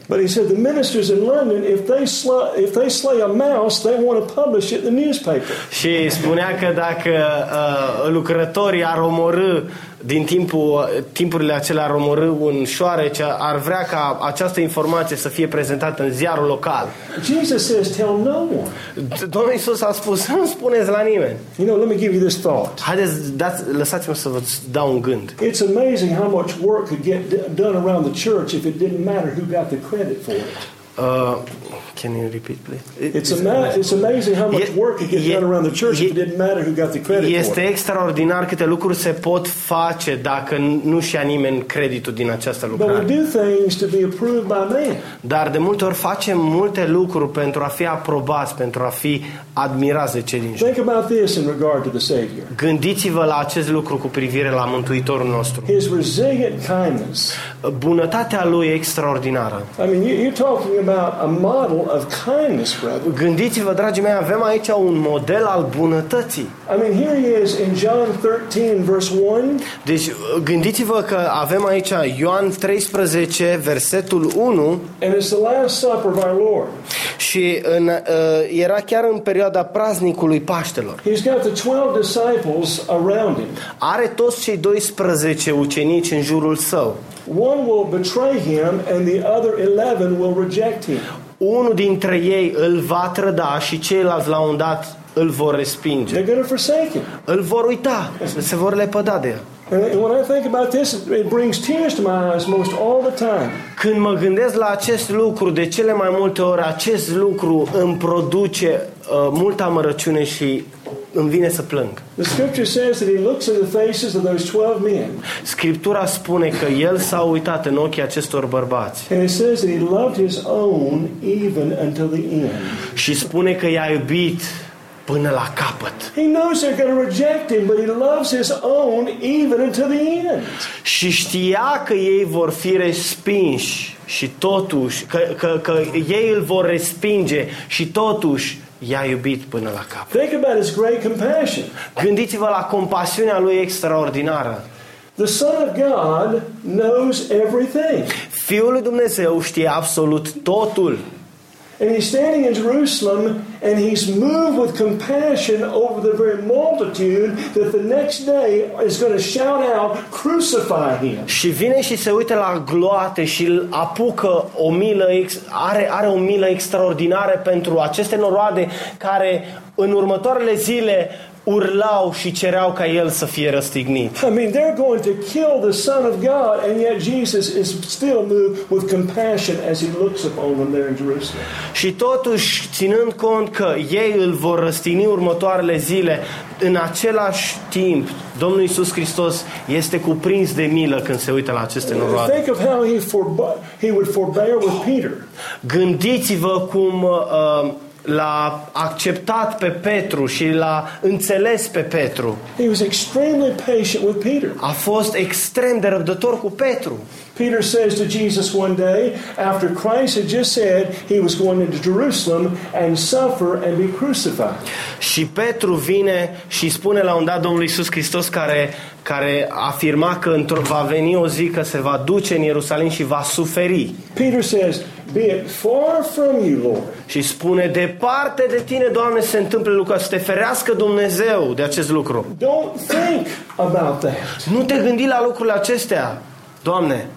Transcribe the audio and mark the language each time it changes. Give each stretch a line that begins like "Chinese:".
English: But he said the ministers in London, if they slay a mouse, they want to publish it in the newspaper.
Romanian: Și spunea că dacă lucrătorii ar omorâ din timpurile acelea ar omorâ un șoarece, ar vrea ca această informație să fie prezentată în ziarul local.
English: Jesus says, tell no one.
Romanian: Domnul Iisus a spus, nu spuneți la nimeni.
English: You know, let me give you this thought.
Romanian: Haideți, lăsați-mă să vă dau un gând.
English: It's amazing how much work could get done around the church if it didn't matter who got the credit for it. Can you repeat, please? It's amazing how much work could get done around the church if it didn't matter who got the credit for it.
Romanian: Este extraordinar câte lucruri se pot face dacă nu și-a nimeni creditul din această lucrare.
English: But we do things to be approved by man.
Romanian: Dar de multe ori facem multe lucruri pentru a fi aprobați, pentru a fi admirați de cei din jur.
English: Think about this in regard to the Savior.
Romanian: Gândiți-vă la acest lucru cu privire la Mântuitorul nostru.
English: His resilient kindness.
Romanian: Bunătatea lui extraordinară.
English: I mean, you're talking about a model of kindness, brother.
Romanian: Gândiți-vă, dragii mei, avem aici un model al bunătății.
English: I mean, here he is in John 13, verse 1.
Romanian: Deci, gândiți-vă că avem aici Ioan 13, versetul 1.
English: And it's the last supper of our Lord.
Romanian: Și era chiar în perioada praznicului Paștelor.
English: He's got the 12 disciples around him.
Romanian: Are toți cei 12 ucenici în jurul său.
English: One will betray him and the other 11 will reject him.
Romanian: Unul dintre ei îl va trăda și ceilalți la un dat îl vor respinge.
English: They're going to forsake him.
Romanian: Îl vor uita, se vor lepăda de el.
English: And when I think about this, it brings tears to my eyes most all the time.
Romanian: Când mă gândesc la acest lucru, de cele mai multe ori acest lucru îmi produce multă amărăciune și îmi vine să plâng.
English: The scripture says that he looks in the faces of those 12 men.
Romanian: Scriptura spune că el s-a uitat în ochii acestor bărbați.
English: And it says that he loved his own even until the end.
Romanian: Și spune că i-a iubit până la capăt.
English: He knows they're going to reject him, but he loves his own even until the end.
Romanian: Și știa că ei vor fi respinși și totuși că ei îl vor respinge și totuși i-a iubit până la capăt.
English: Think about his great compassion.
Romanian: Gândiți-vă la compasiunea lui extraordinară.
English: The Son of God knows everything.
Romanian: Fiul lui Dumnezeu știe absolut totul.
English: And he's standing in Jerusalem and he's moved with compassion over the very multitude that the next day is going to shout out, crucify him.
Romanian: Și vine și se uită la gloate și îl apucă o milă, are o milă extraordinară pentru aceste noroade care în următoarele zile urlau și cereau ca el să fie răstignit.
English: I mean, they're going to kill the Son of God and yet Jesus is still moved with compassion as he looks upon them there in Jerusalem.
Romanian: Și totuși, ținând cont că ei îl vor răstigni următoarele zile, în același timp, Domnul Iisus Hristos este cuprins de milă când se uită la aceste noroade.
English: Think of how he would forbear with Peter.
Romanian: Gândiți-vă cum l-a acceptat pe Petru și l-a înțeles pe Petru.
English: He was extremely patient with Peter.
Romanian: A fost extrem de răbdător cu Petru.
English: Peter says to Jesus one day after Christ had just said he was going into Jerusalem and suffer and be crucified.
Romanian: Și Petru vine și spune la un dat Domnul Iisus Hristos care afirma că va veni o zi că se va duce în Ierusalim și va suferi.
English: Peter says, be it far from you, Lord.
Romanian: Și spune, departe de tine, Doamne, se întâmplă lucrul ăsta. Să te ferească Dumnezeu de acest lucru.
English: Don't think about that.
Romanian: Nu te gândi la lucrurile acestea, Doamne.